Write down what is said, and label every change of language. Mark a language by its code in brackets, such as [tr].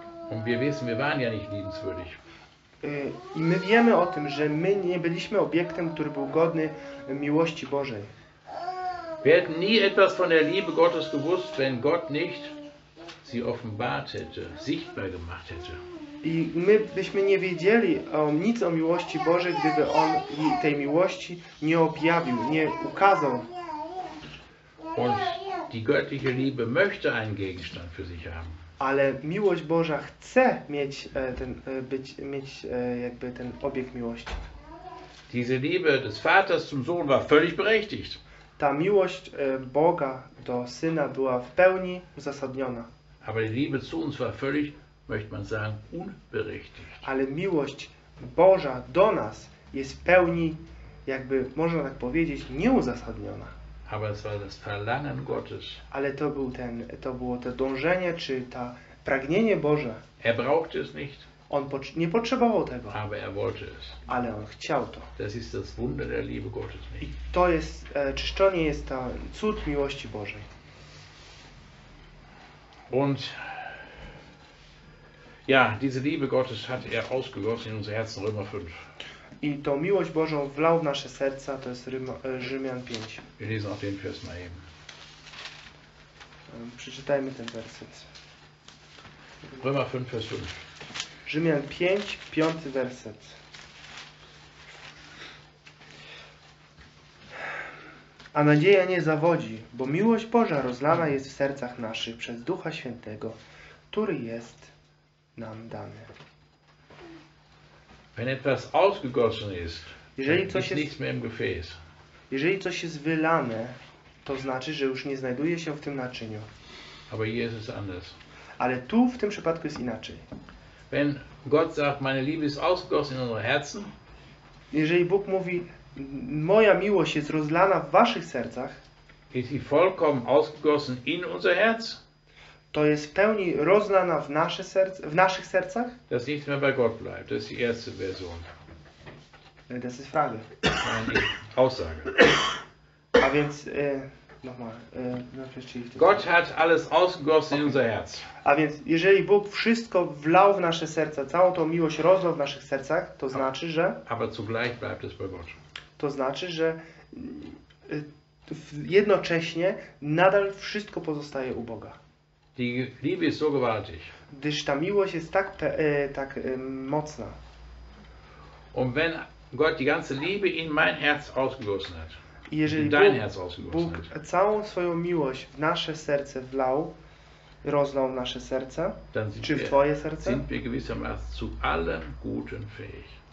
[de] Und wir wissen, wir waren ja nicht liebenswürdig. [pl] I my wiemy o tym, że my nie byliśmy obiektem, który był godny miłości Bożej. [de] Wir hätten nie etwas von der Liebe Gottes gewusst, wenn Gott nicht sie offenbart hätte, sichtbar gemacht hätte. [pl] I my byśmy nie wiedzieli nic o miłości Bożej, gdyby On tej miłości nie objawił, nie ukazał. [de] Und die göttliche Liebe möchte einen Gegenstand für sich haben. [pl] Ale miłość Boża chce mieć ten być mieć jakby ten obieg miłości. [de] Diese Liebe des Vaters zum Sohn war völlig berechtigt. [pl] Ta miłość Boga do Syna była w pełni uzasadniona. [de] Aber die Liebe zu uns war völlig, möchte man sagen, unberechtigt. [pl] Ale miłość Boża do nas jest w pełni, jakby można tak powiedzieć, nieuzasadniona. [de] Aber es war das Verlangen Gottes. [pl] Ale to był ten, to było to dążenie, czy ta pragnienie Boże. [de] Er brauchte es nicht. [pl] On nie potrzebował tego. [de] Aber er wollte es. [pl] Ale on chciał to. [de] Das ist das Wunder der Liebe Gottes. [pl] I to jest, czyszczenie jest ta cud miłości Bożej. [de] Und ja, diese Liebe Gottes hat er ausgegossen in unser Herzen, Römer 5. [pl] I tą miłość Bożą wlał w nasze serca, to jest Rzymian 5. [de] Wir lesen auch den Vers mal eben. [pl] Przeczytajmy ten werset. [de] Römer 5, Vers 5. [pl] Rzymian 5, 5 werset. A nadzieja nie zawodzi, bo miłość Boża rozlana jest w sercach naszych przez Ducha Świętego, który jest nam dany. [de] Wenn etwas ausgegossen ist, [pl] jeżeli coś jest, [de] nichts mehr im Gefäß. [pl] Jeżeli coś jest wylane, to znaczy, że już nie znajduje się w tym naczyniu. [de] Aber hier ist es anders. [pl] Ale tu w tym przypadku jest inaczej. [de] Wenn Gott sagt, meine Liebe ist ausgegossen in unsere Herzen. [pl] Jeżeli Bóg mówi, moja miłość jest rozlana w waszych sercach. [de] Ist sie vollkommen ausgegossen in unser Herz. [pl] To jest w pełni rozlana w, nasze serce, w naszych sercach? [de] Das nichts mehr bei Gott bleibt. Das ist die erste Version. Das ist Frage. Nein, Aussage. [pl] A więc, [de] nochmal. Gott hat alles ausgegossen in unser Herz. [pl] A więc, jeżeli Bóg wszystko wlał w nasze serca, całą tą miłość rozlał w naszych sercach, to znaczy, że... [de] Aber zugleich bleibt es bei Gott. [pl] To znaczy, że jednocześnie nadal wszystko pozostaje u Boga. [de] Die Liebe ist so gewaltig. [pl] Gdyż ta miłość jest tak, tak mocna. [de] Und wenn Gott die ganze Liebe in mein Herz ausgegossen hat, [pl] jeżeli [de] in dein Herz ausgegossen [pl] Bóg [de] hat, [pl] całą swoją miłość w nasze serce wlał, rozlał w nasze serce, czy w twoje serce, [de] sind wir gewissermaßen zu allem Guten fähig.